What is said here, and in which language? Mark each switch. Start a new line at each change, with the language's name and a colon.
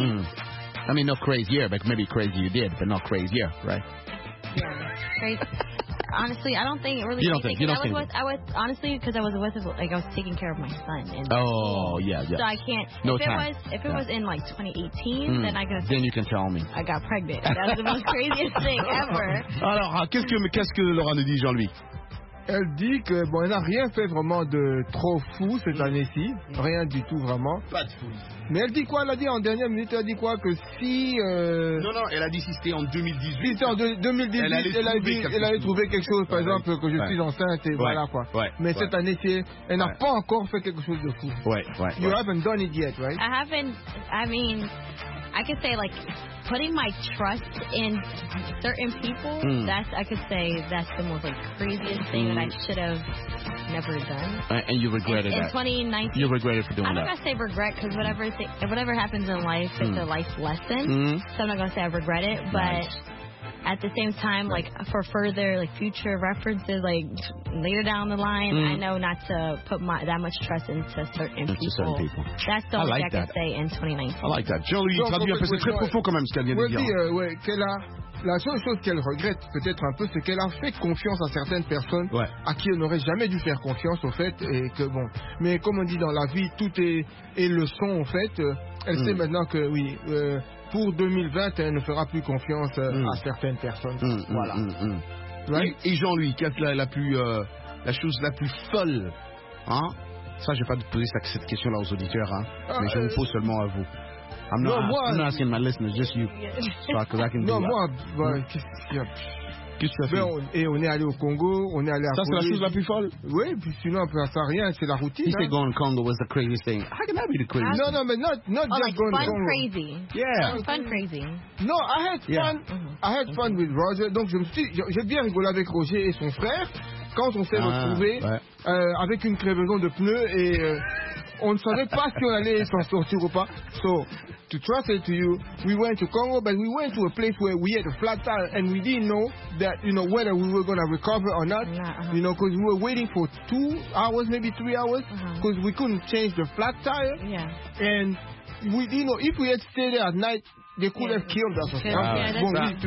English: I mean, not crazier, but maybe crazy you did, but not crazier, right? Yeah. Crazy. Honestly, I don't think it really... You don't think. You don't think. Honestly, because I was with... Like, I was taking care of my son. Yeah. So I can't... No if time. If it was in, like, 2018, then I could... Then you can tell me. I got pregnant. That's the most craziest thing ever.
French: Alors, qu'est-ce que Laura nous dit, Jean-Louis? Elle dit que bon, elle n'a rien fait vraiment de trop fou cette année-ci, rien du tout vraiment. Pas de fou. Mais elle dit quoi? Elle a dit en dernière minute, elle a dit quoi? Que si. Non, elle a dit si c'était en 2018. Si c'était en 2018, elle allait trouver quelque chose, par exemple, que je suis enceinte et voilà quoi. Mais cette année-ci, elle n'a pas encore fait quelque chose de fou.
English: You haven't done it yet, right? I haven't. I mean, I could say like. Putting my trust in certain people, that's the most like craziest thing that I should have never done. And you regretted in 2019. You regretted for doing that. I'm not going to say regret because whatever happens in life, it's a life lesson. So I'm not going to say I regret it. But at the same time, like for further like future references, like later down the line, I know not to put that much trust into certain people. That's the only thing I can say in 2019. I like that.
French: Jean-Louis, il traduit un peu. C'est très profond quand même ce qu'elle vient de dire. La seule chose qu'elle regrette peut-être un peu, c'est qu'elle a fait confiance à certaines personnes à qui elle n'aurait jamais dû faire confiance, au fait. Et que, bon, mais comme on dit dans la vie, tout est leçon, en fait. Elle sait maintenant que, oui... pour 2020, elle ne fera plus confiance à certaines personnes. Voilà. Et Jean-Louis, quelle est la chose la plus folle, hein? Ça, je ne vais pas poser cette question-là aux auditeurs, hein? Mais je vous pose seulement à vous.
English: I'm not asking my listeners, just you.
French: Qu'est-ce que tu as fait? On est allé au Congo, on est allé à Paris. Ça, c'est la chose la plus folle? Oui, puis sinon, après, ça rien, c'est la routine.
English: He said going to Congo was the craziest thing. How can that be the craziest thing? No, but not just like going to Congo. Fun crazy. Yeah. Fun crazy. No, I had fun. I had fun with Roger.
French: Donc, j'ai bien rigolé avec Roger et son frère quand on s'est retrouvé avec une crevaison de pneus et on ne savait pas si on allait s'en sortir ou pas.
English: So, to translate to you, we went to Congo, but we went to a place where we had a flat tire, and we didn't know that, you know, whether we were going to recover or not, you know, because we were waiting for 2 hours, maybe 3 hours, because we couldn't change the flat tire. Yeah. And, we, you know, if we had stayed there at night, they could have killed us.